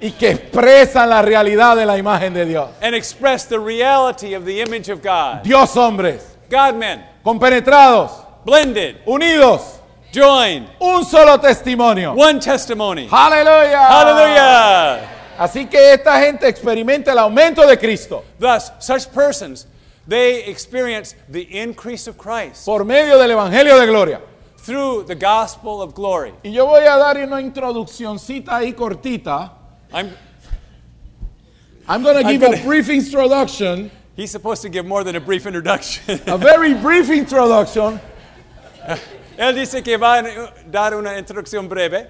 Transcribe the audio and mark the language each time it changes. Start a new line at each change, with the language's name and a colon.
Spanish: Y que expresan la realidad de la imagen de Dios.
English: And express the reality of the image of God.
Spanish: Dios hombres.
English: God men.
Spanish: Compenetrados.
English: Blended.
Spanish: Unidos.
English: Joined.
Spanish: Un solo testimonio.
English: One testimony. Hallelujah. Hallelujah.
Spanish: Así que esta gente experimenta el aumento de Cristo.
English: Thus, such persons, They experience the increase of Christ.
Spanish: Por medio del Evangelio de Gloria.
English: Through the gospel of glory.
Spanish: Y yo voy a dar una introduccioncita ahí cortita.
English: I'm going to give a brief introduction. He's supposed to give more than a brief introduction. A very brief introduction.
Spanish: Él dice que va a dar una introducción breve.